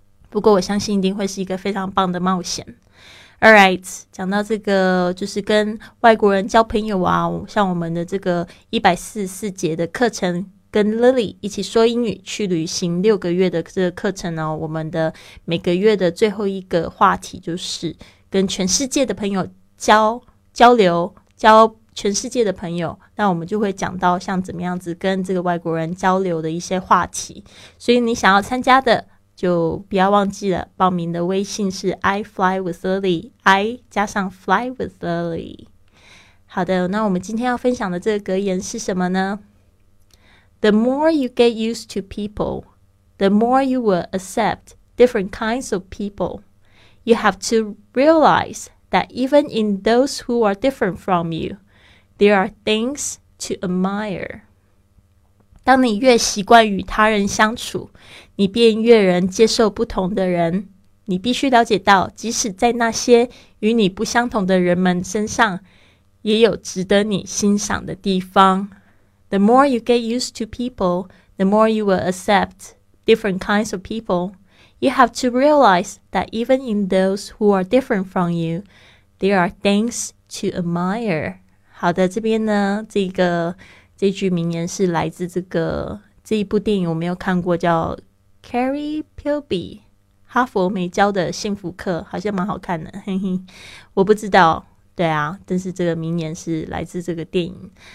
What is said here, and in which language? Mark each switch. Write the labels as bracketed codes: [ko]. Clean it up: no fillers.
[zh] 不过我相信一定会是一个非常棒的冒险。Alright， 讲到这个就是跟外国人交朋友啊，像我们的这个144节的课程，跟 Lily 一起说英语去旅行6个月的这个课程哦，我们的每个月的最后一个话题就是跟全世界的朋友交流，交全世界的朋友，那我们就会讲到像怎么样子跟这个外国人交流的一些话题。所以你想要参加的就不要忘记了，报名的微信是 I fly with Lily， I 加上 fly with Lily。好的，那我们今天要分享的这个格言是什么呢？ [en] The more you get used to people, the more you will accept different kinds of people. You have to realize that even in those who are different from you, there are things to admire. [zh] 当你越习惯与他人相处，你便越能接受不同的人。你必须了解到，即使在那些与你不相同的人们身上，也有值得你欣赏的地方。 [en] The more you get used to people, the more you will accept different kinds of people. You have to realize that even in those who are different from you, there are things to admire. [zh] 好的，这边呢，这句名言是来自这一部电影，我没有看过，叫 Carrie Pilby， 哈佛美娇的幸福课，好像蛮好看的，嘿嘿，我不知道，对啊，但是这个名言是来自这个电影。